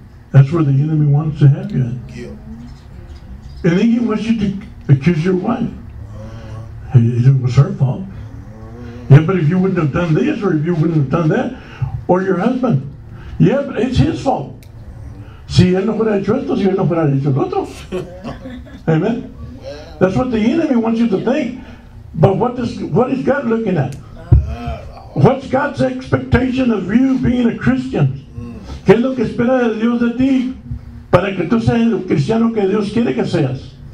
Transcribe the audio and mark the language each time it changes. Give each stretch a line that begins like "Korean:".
English: That's where the enemy wants to have you. And then he wants you to accuse your wife. It was her fault. Yeah, but if you wouldn't have done this, or if you wouldn't have done that, or your husband. Yeah, but it's his fault.
Spanish: Si él no hubiera hecho esto, si él no hubiera hecho el otro. Amen.
English: That's what the enemy wants you to think. But what is God looking at? What's God's expectation of you being a Christian?
Spanish: ¿Qué es lo que espera de Dios de ti para que tú seas el cristiano que Dios quiere que seas?